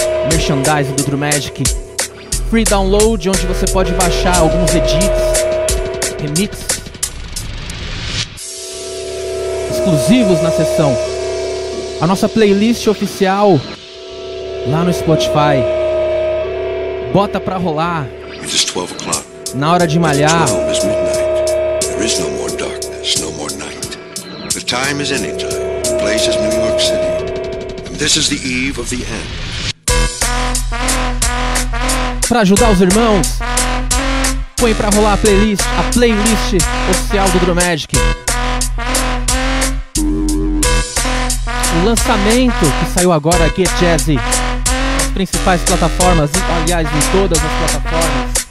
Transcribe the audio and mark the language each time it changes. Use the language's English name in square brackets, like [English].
[Portuguese] Merchandise do Drumagick, free download, onde você pode baixar alguns edits, remixes exclusivos na sessão, a nossa playlist oficial lá no Spotify, bota pra rolar. [English] It is 12 o'clock. [Portuguese] Na hora de malhar. [English] It is 12 is midnight. There is no more darkness, no more night. The time is any time. The place is New York City. And this is the eve of the end. [Portuguese] Pra ajudar os irmãos, põe pra rolar a playlist oficial do Drumagick. O lançamento que saiu agora aqui é Jazzy, nas principais plataformas, aliás, em todas as plataformas.